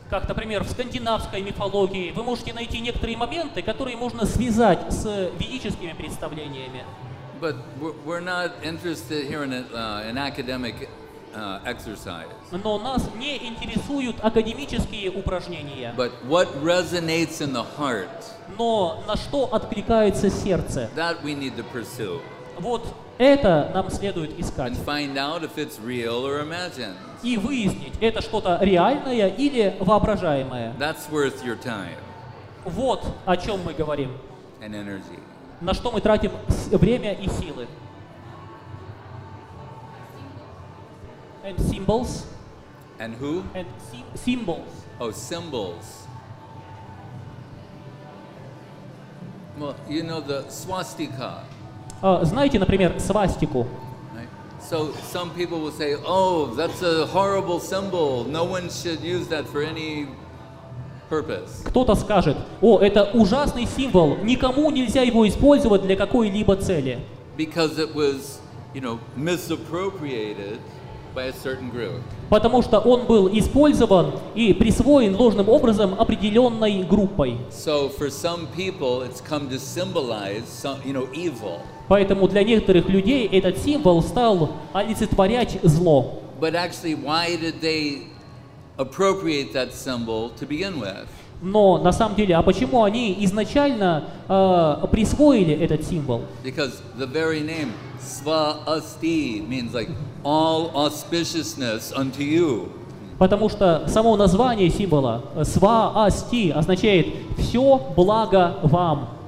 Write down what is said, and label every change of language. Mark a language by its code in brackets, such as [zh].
[ru] Как, например, в скандинавской мифологии вы можете найти некоторые моменты, которые можно связать с ведическими представлениями. [en] But we're not interested here in an academic exercise. [ru] Но нас не интересуют академические упражнения. [en] But what resonates in the heart? [ru] Но на что откликается сердце? [en] That we need to pursue. [ru] Вот это нам следует искать. [en] And find out if it's real or imagined. [ru] И выяснить, это что-то реальное или воображаемое. [en] That's worth your time. [ru] Вот о чем мы говорим. [en] And energy. [ru] На что мы тратим время и силы. [en] And symbols. And who? And symbols. Oh, symbols. Well, you know the swastika. [ru] Знаете, например, свастику. [en] So some people will say, "Oh, that's a horrible symbol. No one should use that for any purpose." [ru] Кто-то скажет: "О, это ужасный символ. Никому нельзя его использовать для какой-либо цели." [en] Because it was, you know, misappropriated by a certain group. [ru] Потому что он был использован и присвоен ложным образом определенной группой. [en] So for some people, it's come to symbolize some, you know, evil. [ru] Поэтому для некоторых людей этот символ стал олицетворять зло. [en] But actually, why did they appropriate that symbol to begin with? [ru] Но на самом деле, а почему они изначально присвоили этот символ? [en] Because the very name Swasti means like all auspiciousness unto you. [ru] Потому что само название символа Swasti означает все благо вам.